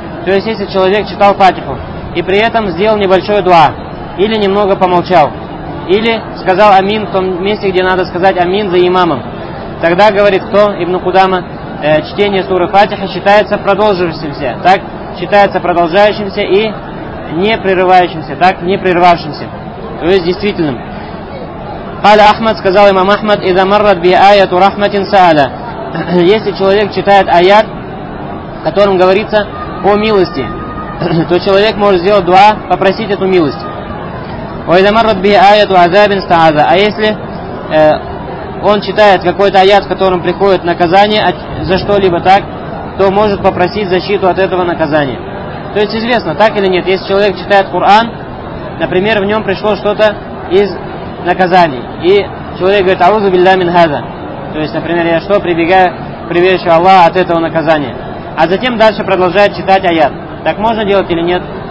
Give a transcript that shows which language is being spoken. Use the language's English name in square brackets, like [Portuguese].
[Russian] То есть если человек читал Фатиху и при этом сделал небольшое дуа, или немного помолчал, или сказал амин в том месте, где надо сказать амин за имамом, тогда, говорит кто, Ибн Кудама, чтение суры Фатиха считается продолжившимся, так? Считается продолжающимся и не прерывающимся, так? Не прервавшимся, то есть действительным. [Arabic] قال أحمد, [Russian] сказал имам Ахмад, [Arabic] إذا مرت بآية رحمة سألة. [Russian] Если человек читает аят, в котором говорится о милости, то человек может сделать дуа, попросить эту милость. [Arabic] وإذا مرت بآية عذاب استعاذة. [Russian] А если он читает какой-то аят, в котором приходит наказание за что-либо, так, то может попросить защиту от этого наказания. То есть известно, так или нет, если человек читает Коран, например, в нем пришло что-то из наказаний, и человек говорит [Arabic] «Аузу билля мин хаза», [Russian] то есть, например, я что, прибегаю к приветствию Аллаха от этого наказания, а затем дальше продолжает читать аят. Так можно делать или нет?